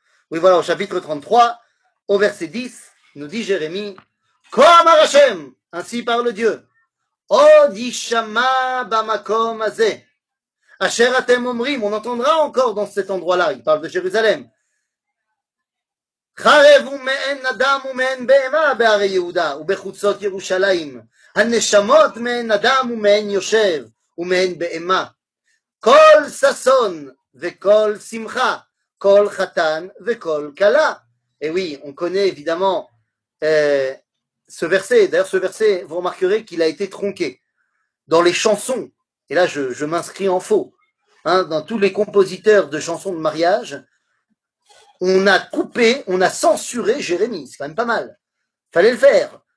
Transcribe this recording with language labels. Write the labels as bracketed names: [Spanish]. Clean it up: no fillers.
[French] Oui, voilà, au chapitre 33, au verset 10, nous dit Jérémie, [Hebrew] Kom Arachem, [French] ainsi parle Dieu, [Hebrew] Od Yishama Bamakom Azé, Asher Atem Omrim, [French] on entendra encore dans cet endroit-là, il parle de Jérusalem. [Hebrew] חרב ומעין אדם ומעין בהמה בערי יהודה ובחוצות ירושלים. הנשמות מעין אדם ומעין יושב ומעין בהמה. כל ססון וכל שמחה, כל חתן וכל כלה. [French] Et oui, on connaît évidemment ce verset. D'ailleurs, ce verset, vous remarquerez qu'il a été tronqué dans les chansons. Et là, je m'inscris en faux. Hein, dans tous les compositeurs de chansons de mariage, on a coupé, on a censuré Jérémie. C'est quand même pas mal. Fallait le faire.